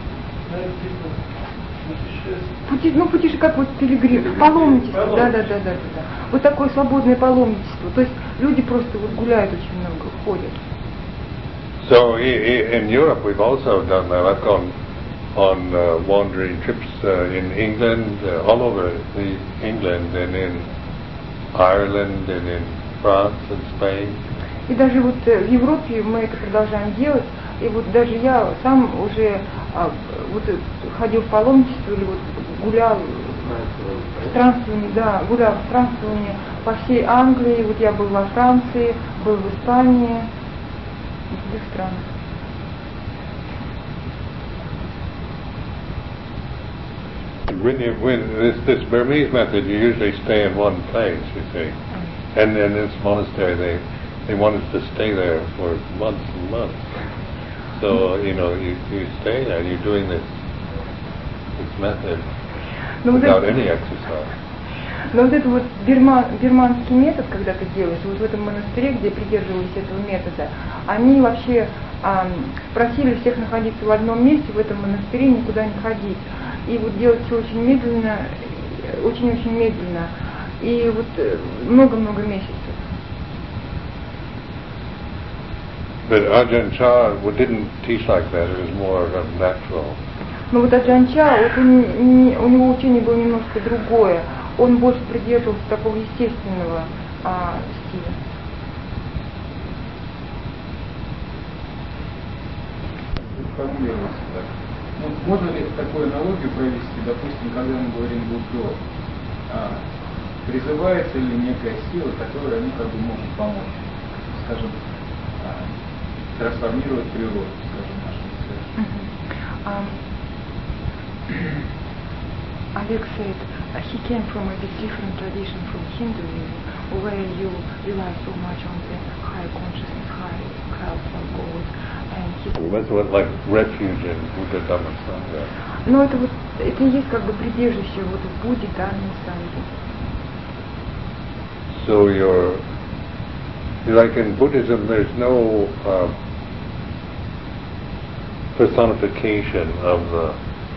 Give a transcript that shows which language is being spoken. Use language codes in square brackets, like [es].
[ru] Блуждать. Ну пути же как вот пилигрим, паломничество, да. Вот такое свободное паломничество, то есть люди просто вот гуляют очень много, ходят. [en] So in Europe we've also done that. I've gone on wandering trips in England, all over the England, and in Ireland, and in France and Spain. [ru] И даже вот в Европе мы это продолжаем делать, и вот даже я сам уже вот ходил в паломничество или вот гулял. Странствование по всей Англии. Вот я был во Франции, был в Испании, в других странах. [en] When this Burmese method, you usually stay in one place, you see. And in this monastery, they wanted to stay there for months and months. So, you know, you stay there, you're doing this method without any exercise. [ru] Но вот этот вот бирманский метод, когда ты делаешь, вот в этом монастыре, где придерживались этого метода, они вообще просили всех находиться в одном месте, в этом монастыре никуда не ходить. И вот делать все очень медленно, очень-очень медленно. И вот много-много месяцев. [en] But Ajahn Chah didn't teach like that, it was more of a natural. [ru] Но вот Аджан Ча, вот у него учение было немножко другое. Он больше придерживался такого естественного стиля. Формулировался так. Ну, можно ли такую аналогию провести? Допустим, когда мы говорим Буддо, призывается ли некая сила, которая ему как бы может помочь, скажем, трансформировать природу, скажем, нашу цель? Олег говорит, [en] he came from a bit different tradition from Hinduism, where you rely so much on the higher consciousness, higher help from God, and he. That's what like refuge in Buddha Dhamma Sangha. [ru] No, это вот это есть как бы прибежище вот в Будде Дхамме Сангхе. [en] So you're like in Buddhism, there's no personification of the.